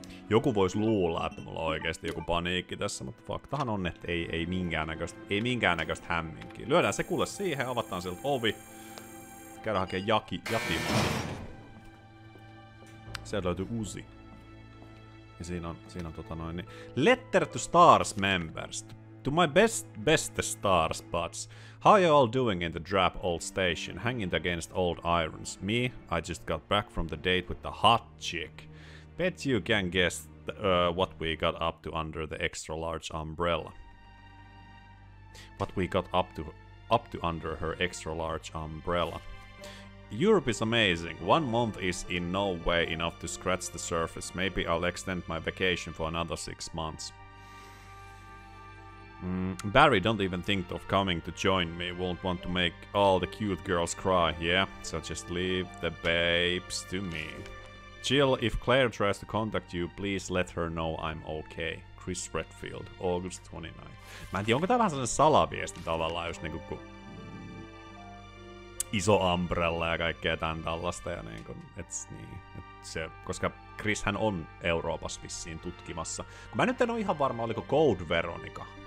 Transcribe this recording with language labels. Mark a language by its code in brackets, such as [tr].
[fi] Joku voisi luulla, että mulla on oikeesti joku paniikki tässä, mutta faktahan on, että ei minkäännäköistä, ei minkäännäköistä hämminkiä. Lyödään se kuule siihen, avataan sieltä ovi. Käydään hakemaan jatimaa. Sieltä löytyy Uzi. Ja siinä on tota noin niin. [en] Letter to Stars members. To my best Stars buds. How you all doing in the drab old station? Hanging against old irons. Me, I just got back from the date with the hot chick. Bet you can guess what we got up to under the extra large umbrella. What we got up to under her extra large umbrella. Europe is amazing. 1 month is in no way enough to scratch the surface. Maybe I'll extend my vacation for another 6 months. Barry, don't even think of coming to join me. Won't want to make all the cute girls cry, yeah? So just leave the babes to me. Jill, if Claire tries to contact you, please let her know I'm okay. Chris Redfield, August 29. [fi] Mä en tiedä, onko tää vähän sellainen salaviesti tavallaan, just niinku kun iso umbrella ja kaikkea tän tällaista ja niinku, ets niin. Et se, koska Chris hän on Euroopassa vissiin tutkimassa. Mä nyt en oo ihan varma, oliko Code Veronica.